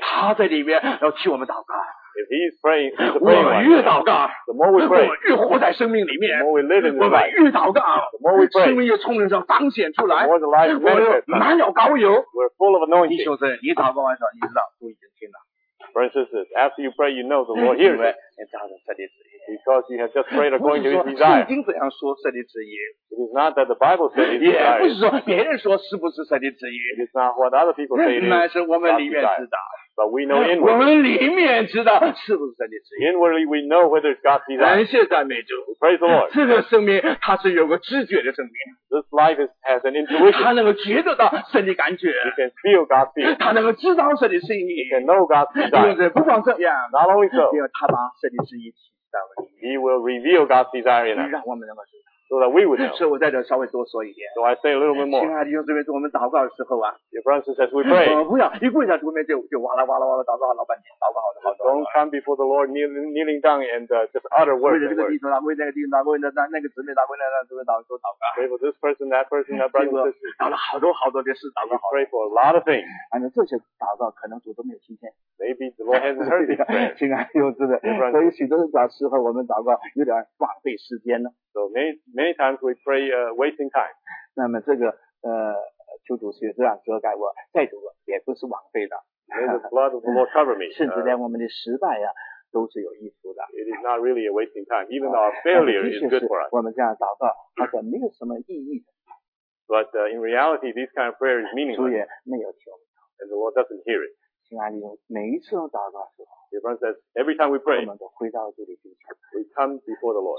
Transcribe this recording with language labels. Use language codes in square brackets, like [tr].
[zh] 他在里面要替我们祷告。 [en] If he's praying, praying [zh] 我们越祷告 [en] the more we pray, [zh] 我们越活在生命里面 [en] the more we live in life, [zh] 我们越祷告 [en] the more we pray, [zh] 生命越从人上彰显出来 [en] the more the life [zh] 我们满有膏油 [en] we're full of anointing [zh] 弟兄们你祷告完之后你知道主已经听了 [en] Francis, after you pray, you know the Lord hears Because you have just prayed according to his desire [zh] 圣经怎样说神的旨意 [en] It is not that the Bible says his desire [zh] 也不是说别人说是不是神的旨意 [en] It is not what other people say it is [zh] 乃是我们里面知道 [en] But we know inwardly. [zh] 我们里面知道是不是神的旨意。 [en] Inwardly we know whether it's God's desire. [zh] 感谢赞美主。 [en] Praise the Lord. [zh] 这个生命它是有个知觉的生命。 [en] This life has an intuition. [zh] 它能够觉得到神的感觉。 [en] You can feel God's feeling. [zh] 它能够知道神的心意。 [en] You can know God's desire. [zh] 因为不光这样。 [en] Not only so. [zh] 因为他把神的旨意启示在我们里面。 [en] He will reveal God's desire in us. [zh] 让我们能够知道。 [en] So that we would know. [zh] 所以我在这稍微多说一点。 [en] So I say a little bit more. [zh] 亲爱的兄弟们，我们祷告的时候啊。 [en] Your brothers, as we pray. [zh] 不要一跪下主面前就哇啦哇啦哇啦祷告好老半天，祷告好多好多。 [en] Don't come before the Lord kneeling down and just utter words. [zh] 为这个弟兄啊，为那个弟兄啊，为那个姊妹啊，为那姊妹祷告，祷告。 [en] Pray for this person, that person, that brother. [zh] 祷了好多好多的事，祷告好。 [en] Pray for a lot of things. [zh] 反正这些祷告可能主都没有听见。 [en] Maybe the Lord hasn't heard it. [zh] 亲爱的兄弟们，所以许多的时候我们祷告有点浪费时间呢。 [en] So many times we pray wasting time. [zh] 那么这个求主血这样遮盖我，再多也不是枉费的。 [en] May the blood of the Lord cover me. [zh] 甚至连我们的失败呀、啊，都是有益处的。 [en] It is not really a wasting time. Even our failure is good for us. [zh] 我们这样祷告好像没有什么意义的。 [en] But in reality, this kind of prayer is meaningless. [zh] 主也没有听。 [en] And the Lord doesn't hear it. [zh] 亲爱的，每一次都祷告的时候。 [en] Your friend says, every time we pray, we come before the Lord.